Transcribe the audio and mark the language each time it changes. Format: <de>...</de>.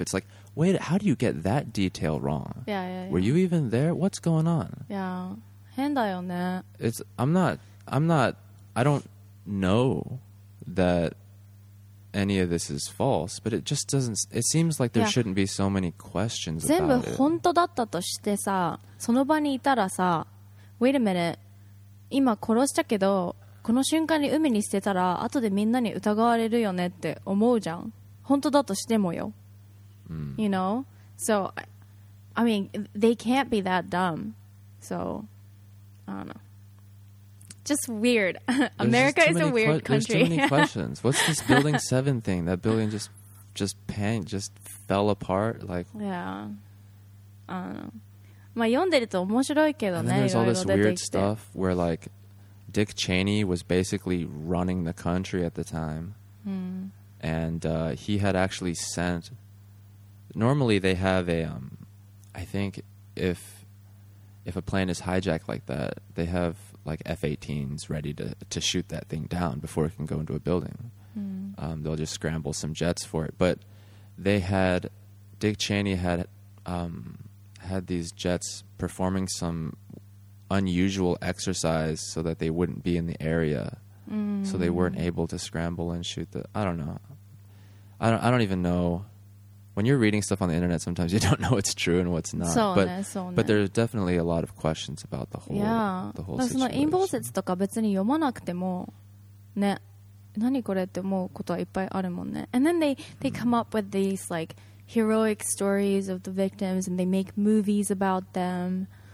<en>It's like, wait, how do you get that detail wrong? Yeah, yeah, yeah. Were you even there? What's going on?</en> <ja>Yeah. 変だよね。</ja> <en>I don't know that any of this is false, but it just doesn't, it seems like there shouldn't be so many questions about it.</en> <ja>全部本当だったとしてさ、その場にいたらさ、</ja> <en>wait a minute,</en> <ja>今殺したけど、この瞬間に海に捨てたら後でみんなに疑われるよねって思うじゃん。本当だとしてもよ。</ja> <en>You know? So, I mean, they can't be that dumb. So, I don't know. Just weird. America just is a weird country. There's too many questions. What's this Building 7 thing? That building just fell apart? Like, yeah.</en> <ja>まあ読んでると面白いけどね。</ja> <en>And then there's all this weird stuff where like Dick Cheney was basically running the country at the time. And he had actually sent... Normally they have a... I think if a plane is hijacked like that, they have... like F-18s ready to shoot that thing down before it can go into a building. They'll just scramble some jets for it. But they had, Dick Cheney had had these jets performing some unusual exercise so that they wouldn't be in the area. So they weren't able to scramble and shoot the, I don't know. I don't even know. When you're reading stuff on the internet, sometimes you don't know what's true and what's not.</en> <ja>そうね、</ja> <en>but,</en> <ja>そうね。</ja> <en>But there's definitely a lot of questions about the whole, yeah. the whole situation.</en> <ja>その陰謀説とか別に読まなくても、ね、何これって思うことはいっぱいあるもんね。</ja> <en>And then they come up with these like heroic stories of the victims and they make movies about them.</en>